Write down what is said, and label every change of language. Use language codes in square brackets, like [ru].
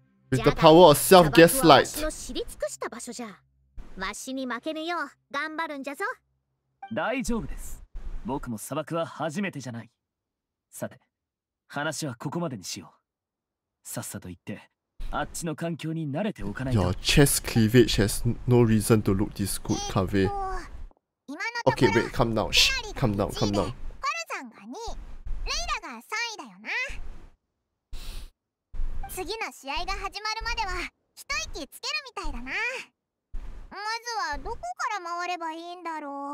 [en] With the power of self-gaslight. 砂漠 [ja] はわしの知り尽くした場所じゃ。わしに負けぬよう頑張るんじゃぞ。大丈夫です。僕も砂漠は初めてじゃない。さて、話はここまでにしよう。さっさと行って、あっちの環境に慣れておかないと。 [en] Your chest cleavage has no reason to look this good, Kave. Okay, wait, calm down. Shh, calm down, calm down. [ja] コルザンが2、レイラが3位だよな。次の試合が始まるまでは、一息つけるみたいだな。まずはどこから回ればいいんだろう。